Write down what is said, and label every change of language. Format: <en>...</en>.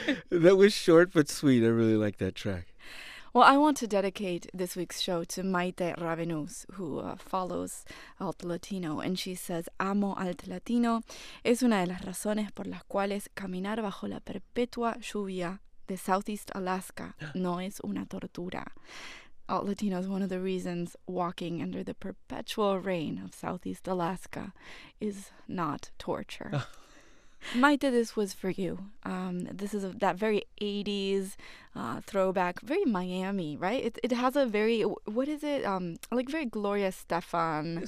<en>That was short but sweet. I really like that track. Well, I want to dedicate this week's show to Maite Ravenous, who follows Alt Latino, and she says,</en> <es>"Amo Alt Latino. Es una de las razones por las cuales caminar bajo la perpetua lluvia de Southeast Alaska no es una tortura."</es> <en>Alt Latino is one of the reasons walking under the perpetual rain of Southeast Alaska is not torture. Maite, this was for you. This is that very 80s throwback, very Miami, right? It has a very, what is it? Like very Gloria Estefan</en>